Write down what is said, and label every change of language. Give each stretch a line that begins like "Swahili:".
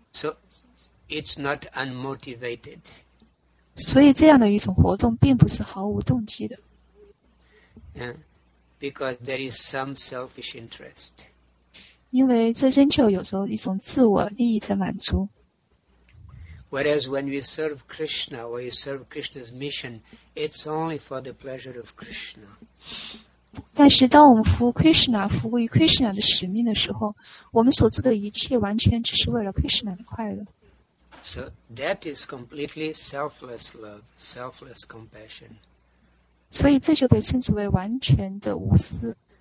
English: So, it's not unmotivated.
Chinese: 所以这样的一种活动并不是毫无动机的。
English: Because there is some selfish interest.
Chinese: 因为这仍旧有着一种自我利益的满足。
English: Whereas when we serve Krishna, or you serve Krishna's mission, it's only for the pleasure of Krishna.
Chinese: 但是当我们服务 Krishna, 服务于 Krishna 的使命的时候，我们所做的一切完全只是为了 Krishna 的快乐。
English: So that is completely selfless love, selfless compassion.
Chinese: 所以这就被称之为完全的无私。